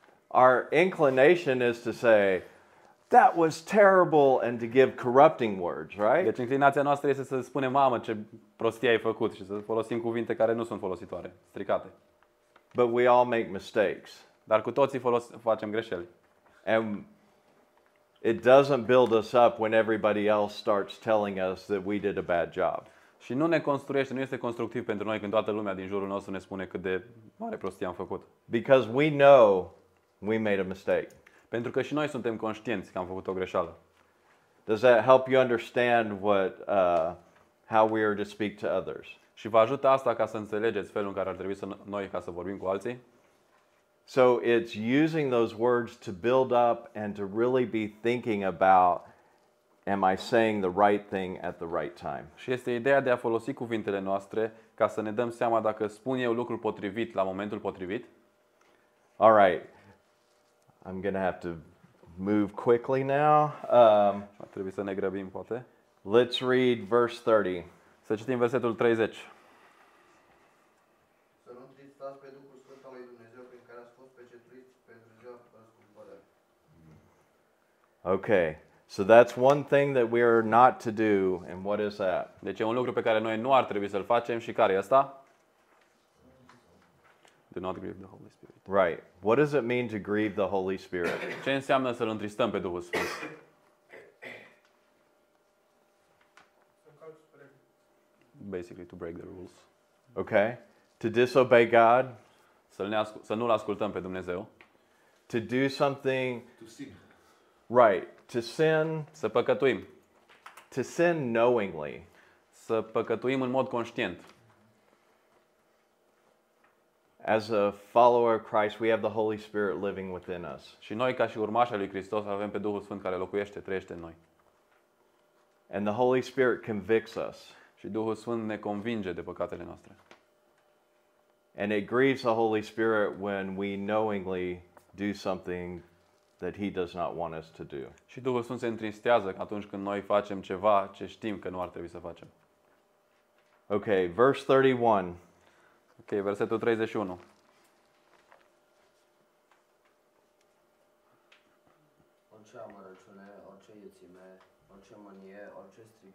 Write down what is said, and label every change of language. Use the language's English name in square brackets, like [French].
[English] Our inclination is to say that was terrible and to give corrupting words, right? [Romanian] Deci inclinația noastră este să spunem, mamă, ce prostie ai făcut și să folosim cuvinte care nu sunt folositoare, stricate. [English] But we all make mistakes. [Romanian] Dar cu toții facem greșeli. [English] And it doesn't build us up when everybody else starts telling us that we did a bad job. [Romanian] Și nu ne construiește, nu este constructiv pentru noi când toată lumea din jurul nostru ne spune cât de mare prostie am făcut. [English] Because we know we made a mistake. [Romanian] Pentru că și noi suntem conștienți că am făcut o greșeală. [English] Does that help you understand what how we are to speak to others? [Romanian] Și vă ajută asta ca să înțelegeți felul în care ar trebui să noi ca să vorbim cu alții? [English] So it's using those words to build up and to really be thinking about, am I saying the right thing at the right time? [Romanian] Și este ideea de a folosi cuvintele noastre ca să ne dăm seama dacă spun eu lucrul potrivit la momentul potrivit. [English] All right. I'm going to have to move quickly now. [Romanian] Trebuie să ne grăbim, poate. [English] Let's read verse 30. [Romanian] Să citim versetul 30. Să nu tristați pe Duhul Sfânt al lui Dumnezeu prin care ați fost pecetuiți pentru ziua răscumpărării. [English] Okay. So that's one thing that we are not to do, and what is that? [Romanian] Deci e un lucru pe care noi nu ar trebui să-l facem și care e asta? [English] Do not grieve the Holy Spirit. Right. What does it mean to grieve the Holy Spirit? [Romanian] Ce înseamnă să-l întristăm pe Duhul Sfânt? [English] Basically to break the rules. Okay. To disobey God. [Romanian] Să nu-l ascultăm pe Dumnezeu. [English] To do something. To sin. Right. To sin. [Romanian] Să păcătuim. [English] To sin knowingly. [Romanian] Să păcătuim în mod conștient. [English] As a follower of Christ, we have the Holy Spirit living within us. [Romanian] Și noi ca și urmași ai lui Hristos avem pe Duhul Sfânt care locuiește, trăiește în noi. [English] And the Holy Spirit convicts us. [Romanian] Și Duhul Sfânt ne convinge de păcatele noastre. [English] And it grieves the Holy Spirit when we knowingly do something that he does not want us to do. [Romanian] Și Duhul Sfânt se întristează atunci când noi facem ceva ce știm că nu ar trebui să facem. [English] Okay, verse 31. [Romanian] Ok, versetul 31. Orice amărăciune, orice iețime, orice mânie, orice strigă.